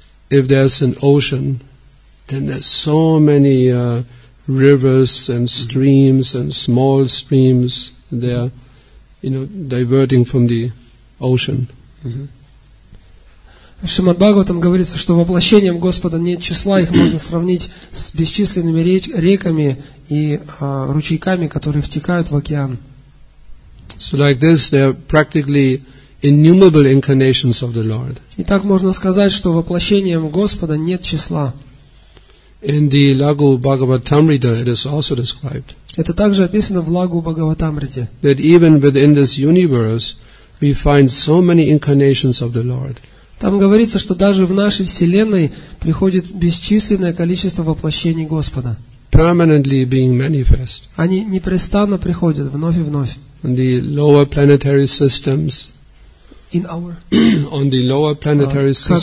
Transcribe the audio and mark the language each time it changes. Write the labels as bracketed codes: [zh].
[en] If there's an ocean, then there's so many rivers and streams and small streams there, you know, diverting from the ocean. [ru] В Шримад Бхагаватам говорится, что воплощением Господа нет числа, их можно сравнить с бесчисленными реками и ручейками, которые втекают в океан. [en] So like this, there are practically innumerable incarnations of the Lord. [ru] И так можно сказать, что воплощением Господа нет числа. [en] In the Lagu Bhagavatamrita, it is also described. [ru] Это также описано в Лагу Бхагаватамрите. [en] That even within this universe, we find so many incarnations of the Lord. [ru] Там говорится, что даже в нашей вселенной приходит бесчисленное количество воплощений Господа. [en] Permanently being manifest. [ru] Они непрестанно приходят вновь и вновь. [en] On the lower planetary systems. In our. On the lower planetary systems.